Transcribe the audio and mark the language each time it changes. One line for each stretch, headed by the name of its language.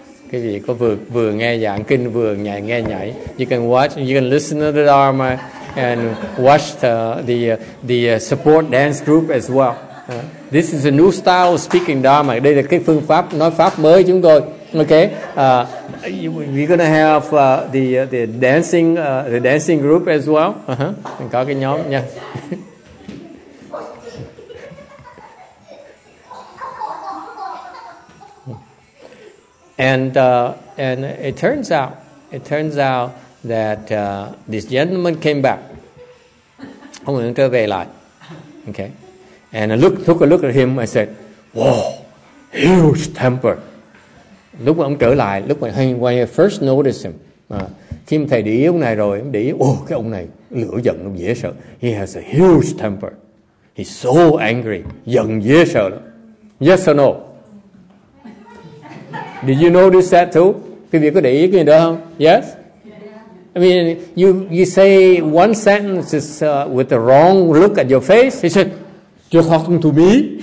Vietnamese: Cái gì có vừa nghe giảng kinh vừa nhảy nghe nhảy.
English: You can watch. You can listen to the Dharma and watch the support dance group as well. This is a new style of speaking Dharma.
Vietnamese: Đây là cái phương pháp nói pháp mới chúng tôi.
English: Okay, we're gonna have the dancing group as well. Uh-huh.
Vietnamese: Có cái nhóm nha.
English: And it turns out that this gentleman came back.
Vietnamese: Ông ấy trở về lại.
English: Okay. And I took a look at him, I said, whoa, huge temper.
Vietnamese: Lúc ông trở lại, lúc mà
English: when I first noticed him,
Vietnamese: khi mà thầy để ý ông này rồi, ông để ý, oh, cái ông này, lửa giận, ông dễ sợ.
English: He has a huge temper. He's so angry,
Vietnamese: giận dễ sợ.
English: Yes or no? Did you notice that too?
Vietnamese: Quý vị có để ý cái gì đó không?
English: Yes? I mean, you say one sentence is, with the wrong look at your face, he said, you're talking to me.